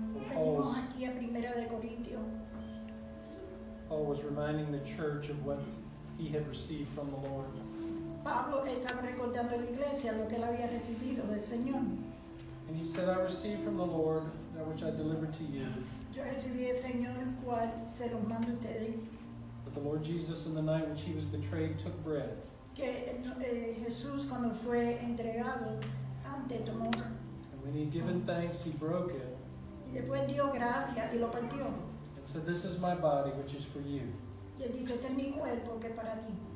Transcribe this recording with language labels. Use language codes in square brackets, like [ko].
[en] Paul was reminding the church of what he had received from the Lord. [es] Pablo estaba recordando a la iglesia lo que él había recibido del Señor. [en] And he said, I received from the Lord that which I delivered to you. [es] Yo recibí del Señor cual se los mando a ustedes. [en] But the Lord Jesus, in the night which he was betrayed, took bread. [es] Que Jesús cuando fue entregado antes tomó. [en] And when he given thanks, he broke it. [es] Y después dio gracias y lo partió. [en] And said, "This is my body, which is for you." [es] Y él dice, este es mi cuerpo que para ti.